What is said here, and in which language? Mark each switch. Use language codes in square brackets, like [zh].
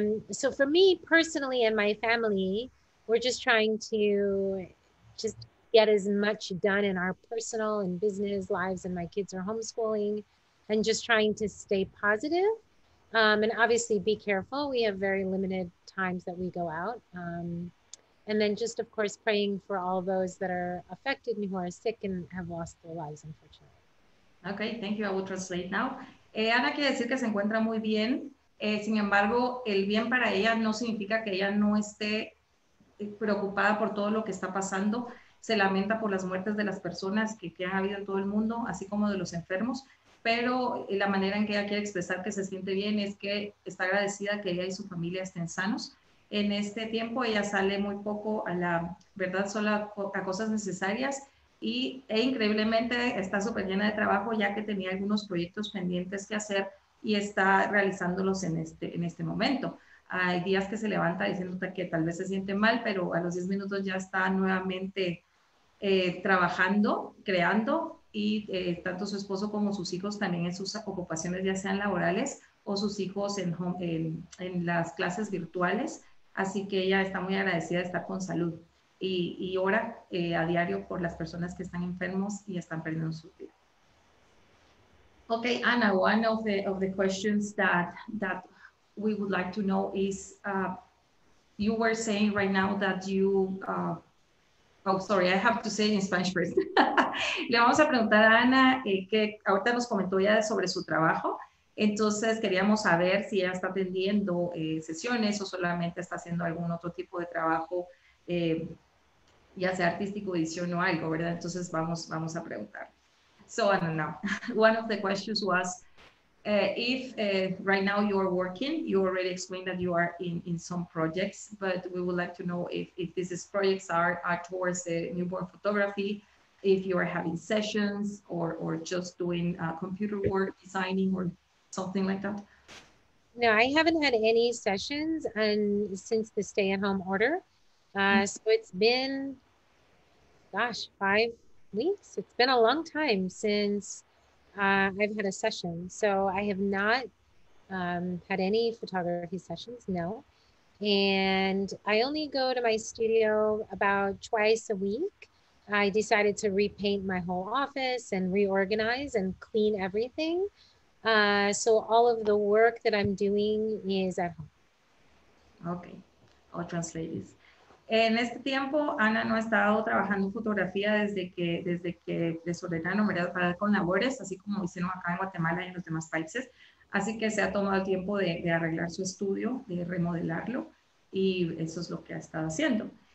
[en] So for me personally and my family, we're just trying to just get as much done in our personal and business lives, and my kids are homeschooling, and just trying to stay positive. And obviously, be careful. We have very limited times that we go out. And then, just of course, praying for all those that are affected and who are sick and have lost their lives, unfortunately. Okay, thank you. I will translate now. [es] Ana quiere decir que se encuentra muy bien. Sin embargo, el bien para ella no significa que ella no esté preocupada por todo lo que está pasando. Se lamenta por las muertes de las personas que han habido en todo el mundo, así como de los enfermos. Pero la manera en que ella quiere expresar que se siente bien es que está agradecida que ella y su familia estén sanos. En este tiempo ella sale muy poco a la verdad, solo a cosas necesarias. E increíblemente está súper llena de trabajo ya que tenía algunos proyectos pendientes que hacer y está realizándolos en este momento. Hay días que se levanta diciéndote que tal vez se siente mal, pero a los 10 minutos ya está nuevamente trabajando, creando y tanto su esposo como sus hijos también en sus ocupaciones, ya sean laborales o sus hijos en las clases virtuales. Así que ella está muy agradecida de estar con salud. Y ora a diario por las personas que están enfermos y están perdiendo su vida. [en] Okay, Ana, one of the questions that we would like to know is you were saying right now that you oh sorry, I have to say it in Spanish first. [es] Le vamos a preguntar a Ana que ahorita nos comentó ya sobre su trabajo. Entonces queríamos saber si ella está atendiendo sesiones o solamente está haciendo algún otro tipo de trabajo. Ya sea artístico, edición o algo, ¿verdad? Entonces vamos a preguntar. [en] So, I don't know. One of the questions was, If right now you are working, you already explained that you are in some projects, but we would like to know if these projects are towards the newborn photography, if you are having sessions or just doing computer work, designing or something like that. No, I haven't had any sessions and since the stay-at-home order. So it's been, gosh, 5 weeks. It's been a long time since I've had a session. So I have not had any photography sessions, no. And I only go to my studio about twice a week. I decided to repaint my whole office and reorganize and clean everything. So all of the work that I'm doing is at home. [es] Okay, otras ladies. En este tiempo, Ana no ha estado trabajando fotografía desde que desordenaron, ¿verdad? Para con labores, así como hicieron acá en Guatemala y en los demás países. Así que se ha tomado el tiempo de arreglar su estudio, de remodelarlo, y eso es lo que ha estado haciendo.